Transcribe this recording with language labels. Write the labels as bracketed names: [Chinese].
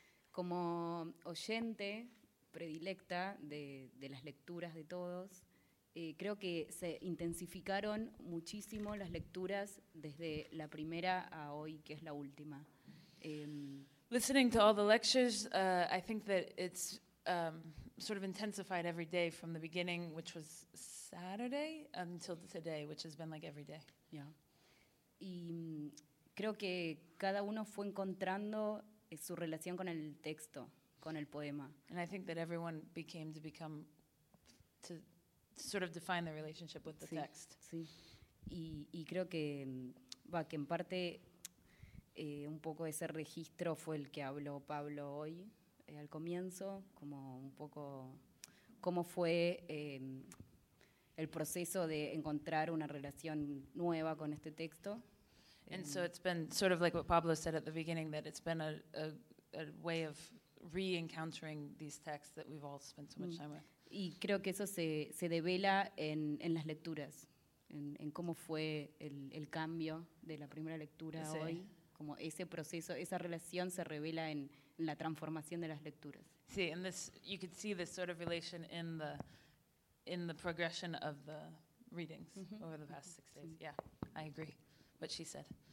[Spanish] Como oyente predilecta de las lecturas de todos, creo que se intensificaron muchísimo las lecturas desde la primera a hoy, que es la última. [English] Listening to all the lectures, I think that it's sort of intensified every day from the beginning, which was Saturday, until today, which has been like every day. [Spanish] Yeah. Y creo que cada uno fue encontrando su relación con el texto, con el poema. [English] And I think that everyone became to become to sort of define their relationship with the text. [Spanish] Sí. Y creo que va que en parte un poco ese registro fue el que habló Pablo hoy al comienzo, como un poco cómo fue el proceso de encontrar una relación nueva con este texto. [English] And so it's been sort of like what Pablo said at the beginning, that it's been a way of re-encountering these texts that we've all spent so much time with. [Spanish] Y creo que eso se devela en las lecturas, en cómo fue el cambio de la primera lectura hoy, como ese proceso, esa relación se revela en la transformación de las lecturas. [English] Sí, and this, you could see this sort of relation in the progression of the readings over the past 6 days. Sí. Yeah, I agree. What she said.